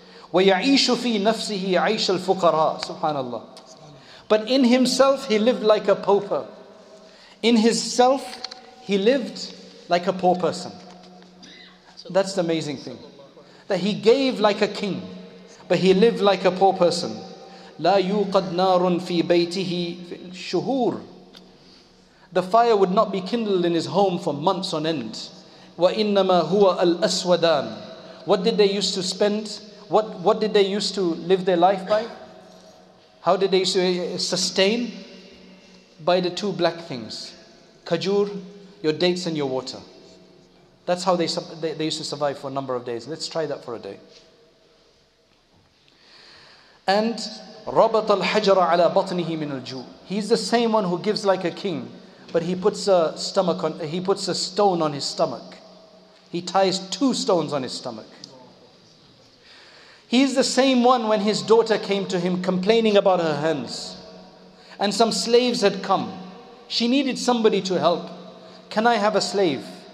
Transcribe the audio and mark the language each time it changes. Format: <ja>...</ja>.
<ar>Wa ya'ishu fi nafsihi 'aysh al-fuqara, subhanallah.</ar> <en>But in himself, he lived like a pauper. In himself, he lived like a poor person. That's the amazing thing. That he gave like a king, but he lived like a poor person.</en> <ar>لا يوقد نار في بيته في شهور.</ar> <en>The fire would not be kindled in his home for months on end.</en> <ar>وَإِنَّمَا هُوَ الْأَسْوَدَانِ.</ar> <en>What did they used to spend? What did they used to live their life by? How did they sustain? By the two black things. Kajur, your dates and your water. That's how they used to survive for a number of days. Let's try that for a day. And</en> <ar>رَبَطَ الْحَجَرَ عَلَىٰ بَطْنِهِ مِنَ الْجُوءِ.</ar> <en>He's the same one who gives like a king, but he puts a stone on his stomach. He ties two stones on his stomach. He is the same one when his daughter came to him complaining about her hands. And some slaves had come. She needed somebody to help. Can I have a slave?</en>